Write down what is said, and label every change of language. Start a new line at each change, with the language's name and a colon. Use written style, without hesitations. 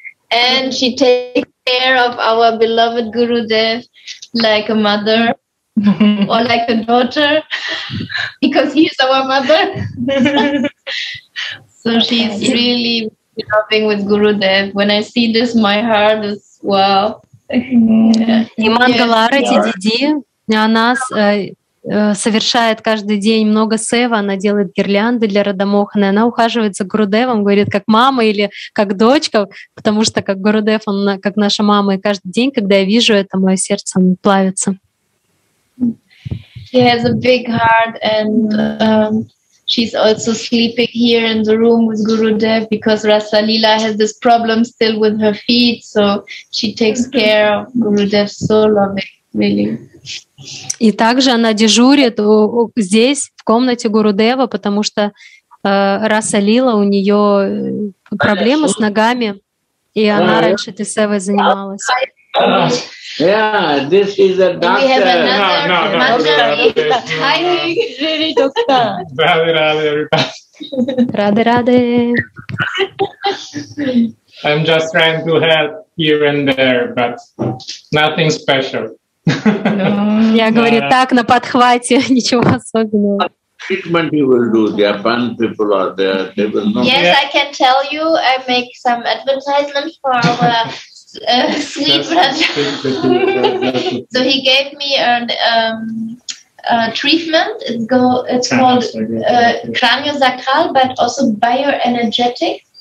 English: And she takes care of our beloved Gurudev like a mother or like a daughter, because he is our mother. So she's really loving with Gurudev. When I see this, my heart is wow.
Russian: И Мангала Арати Диди, она совершает каждый день много сева, она делает гирлянды для Радамохана, она ухаживает за Гурудевом, говорит, как мама или как дочка, потому что как Гурудев, он как наша мама, и каждый день, когда я вижу это, мое сердце плавится.
English: She has a big heart and she's also sleeping here in the room with Gurudev because Rasa Lila has this problem still with her feet, so she takes care of Gurudev so loving, really.
Russian: И также она дежурит здесь, в комнате Гурудева, потому что Раса Лила, у нее проблемы с ногами, и она раньше этой севой занималась.
English: Yeah, this is a doctor. We have another. Hi, Riri, doctor. Rade, everybody. Rade. I'm just trying to help here and there, but nothing special.
Russian: Я говорю, так, на подхвате, ничего особенного.
English: Treatment you will do, the Japan people are there, they will not. Yes, I can tell you, I make some advertisements for our sweet brother. So he gave me a treatment, it's called craniosacral, but also bioenergetic.